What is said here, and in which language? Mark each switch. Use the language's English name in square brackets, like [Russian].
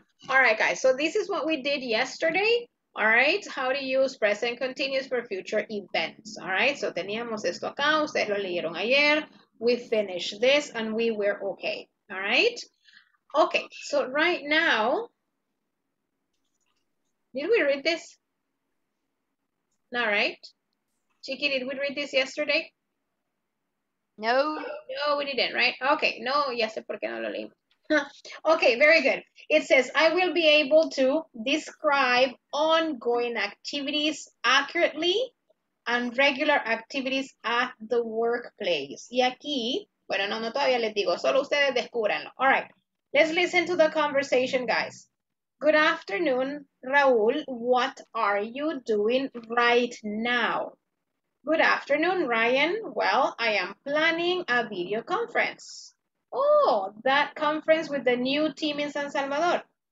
[English] All right, guys, so this is what we did yesterday, all right? How to use present continuous for future events, all right? [Spanish] So teníamos esto acá, ustedes lo leyeron ayer. [English] We finished this and we were okay. All right. Okay. So right now, did we read this? All right. Chiqui, did we read this yesterday? No. No, we didn't, right? Okay. No, [Spanish] ya sé por qué no lo leí. [English] Okay, very good. It says, I will be able to describe ongoing activities accurately and regular activities at the workplace. [Spanish] Y aquí, bueno, no todavía les digo, solo ustedes descúbranlo. [English] All right, let's listen to the conversation, guys. Good afternoon, Raúl. What are you doing right now? Good afternoon, Ryan. Well, I am planning a video conference. Oh, that conference with the new team in San Salvador.